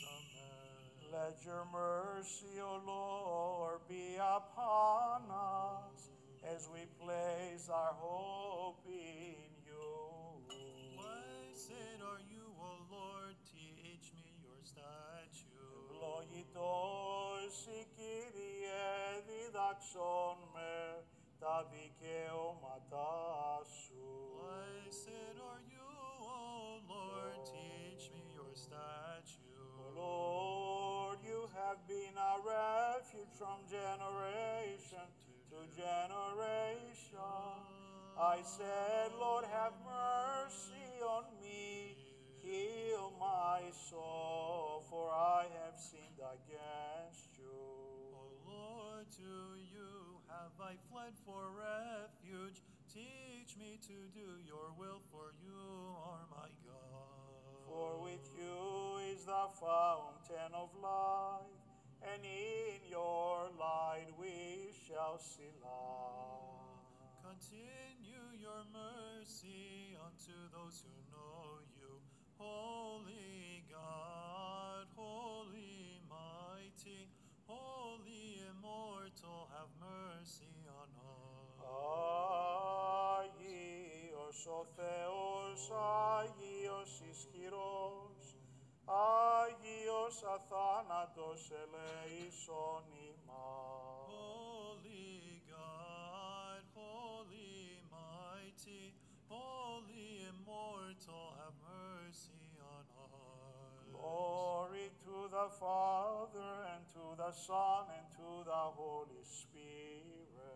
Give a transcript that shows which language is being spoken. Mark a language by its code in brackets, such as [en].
[en] Amen. Let your mercy, O Lord, be upon us, as we place our hope in you. Blessed are you, O Lord, teach me your statutes. [el] Ευλογητός η Κύριε, διδάξον με τα δικαιώματά σου. [en] Blessed are you, O Lord, teach me your statutes. O Lord, you have been a refuge from generation to generation. I said, Lord, have mercy on me, heal my soul, for I have sinned against you. O Lord, to you have I fled for refuge. Teach me to do your will, for you are my God. For with you is the fountain of life, and in your light we shall see light. Continue your mercy unto those who know you, Holy God, Holy Mighty, Holy Immortal, have mercy on us. [el] Άγιος ο Θεός, Άγιος Ισχυρός, Άγιος Αθάνατος, ελέησον ημάς. [en] Holy God, Holy Mighty, Holy Immortal, have mercy on us. Glory to the Father, and to the Son, and to the Holy Spirit.